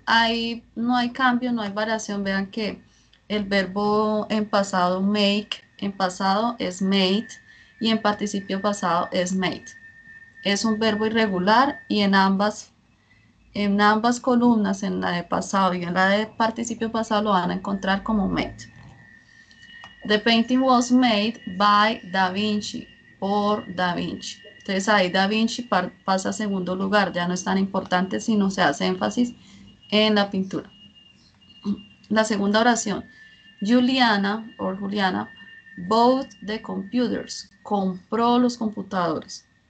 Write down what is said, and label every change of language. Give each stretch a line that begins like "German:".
Spanish: Ahí no hay cambio, no hay variación. Vean que el verbo en pasado, make, en pasado es made. Y en participio pasado es made. Es un verbo irregular y en ambas columnas, en la de pasado y en la de participio pasado, lo van a encontrar como made.
English: The painting was made by Da Vinci,
Spanish: por Da Vinci. Entonces ahí Da Vinci pasa a segundo lugar, ya no es tan importante si no se hace énfasis en la pintura. La segunda oración, Juliana o Juliana
English: bought the computers,
Spanish: compró los computadores.